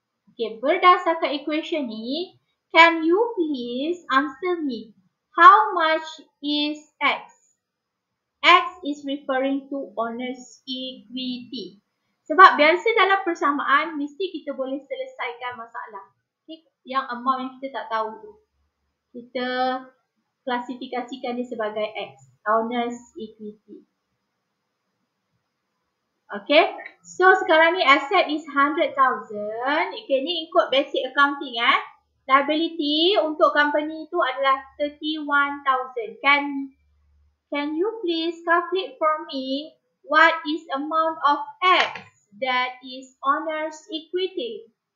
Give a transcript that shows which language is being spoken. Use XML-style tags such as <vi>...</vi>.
<en>Okay, berdasarkan equation ni, can you please answer me, how much is X? X is referring to owner's equity.</en> <ms>Sebab biasa dalam persamaan, mesti kita boleh selesaikan masalah. Okay? Yang amount yang kita tak tahu tu. Kita klasifikasikan dia sebagai X.</ms> <en>Owner's equity.</en> <ms>Okay. So sekarang ni asset is 100,000. Okay, ni ikut basic accounting eh. Liability untuk company tu adalah 31,000.</ms> <en>Can you please calculate for me what is amount of X that is owner's equity?</en>